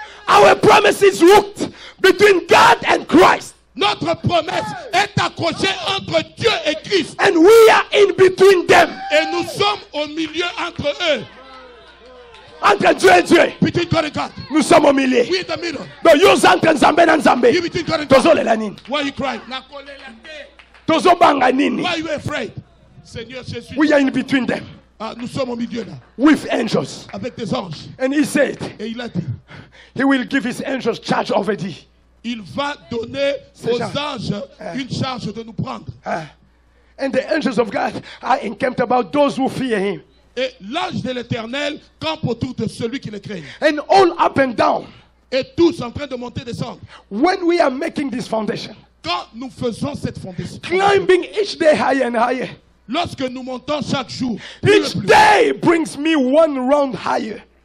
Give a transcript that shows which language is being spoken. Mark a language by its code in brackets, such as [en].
[en] Our promise is hooked between God and Christ. [fr] Notre promesse est accrochée entre Dieu et Christ. [en] And we are in between them. [fr] Et nous sommes au milieu entre eux. Entre Dieu et Dieu. [en] Between God and God. [fr] Nous sommes au milieu. [en] We in the middle. [fr] Donc, nous entre [ln] Nzambe na Nzambe. [en] You between God and God. [ln] Tozole la nini. [en] Why are you crying? [ln] Na kolela te. Tozo banga nini. [en] Why are you afraid? [fr] Seigneur Jésus. [en] We are in between them. [fr] Nous sommes au milieu là. [en] With angels. [fr] Avec des anges. [en] And he said. [fr] Et il a dit. [en] He will give his angels charge over thee. [fr] Il va donner aux anges une charge de nous prendre. [en] And the angels of God are encamped about those who fear him. [fr] Et l'ange de l'Éternel campe autour de celui qui le craint. [en] And all up and down. [fr] Et tous en train de monter et descendre. [en] When we are making this foundation. [fr] Quand nous faisons cette fondation. [en] Climbing each day higher and higher. [fr] Lorsque nous montons chaque jour. [en] Each day brings me one round higher.